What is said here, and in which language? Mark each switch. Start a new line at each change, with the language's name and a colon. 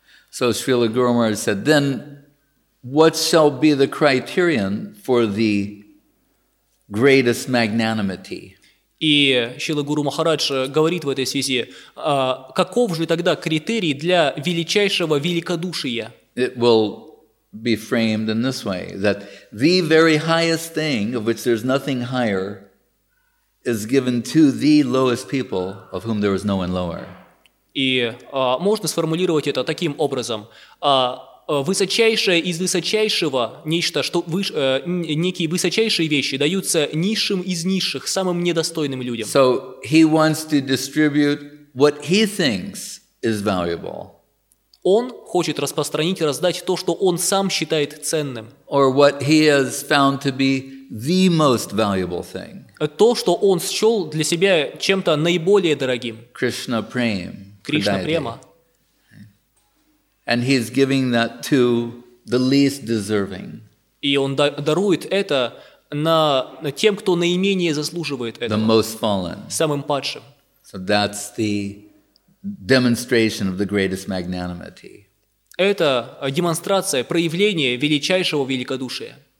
English: So Шрила Гуру Махарадж said, then what shall be the criterion for the greatest magnanimity?
Russian: И Шрила Гуру Махарадж говорит в этой связи, каков же тогда критерий для величайшего великодушия?
English: It will be framed in this way, that the very highest thing, of which there's nothing higher, is given to the lowest people, of whom there is no one lower.
Russian: И можно сформулировать это таким образом. Высочайшее из высочайшего, нечто, что некие высочайшие вещи даются низшим из низших, самым недостойным людям.
English: So he wants to distribute what he thinks is valuable.
Russian: Он хочет распространить, раздать то, что он сам считает ценным.
English: Or what he has found to be the most valuable thing.
Russian: То, что он счел для себя чем-то наиболее дорогим.
English: Krishna Prem.
Russian: Кришна Према.
English: And he's giving that to the least deserving.
Russian: И он дарует это на тем, кто наименее заслуживает этого.
English: The most fallen.
Russian: Самым падшим.
English: So that's the demonstration of the greatest magnanimity.
Russian: Это демонстрация, проявление величайшего великодушия.